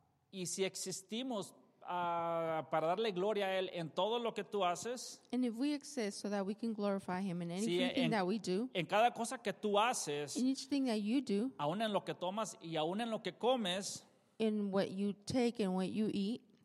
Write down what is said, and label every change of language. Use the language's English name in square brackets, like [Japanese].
[Spanish] Y si existimos para darle gloria a Él en todo lo que tú haces. [English] And if we exist so that we can glorify Him in anything that we do. [Spanish] En cada cosa que tú haces. [English] In each thing that you do. [Spanish] Aún en lo que tomas y aún en lo que comes. [English] In what you take and what you eat.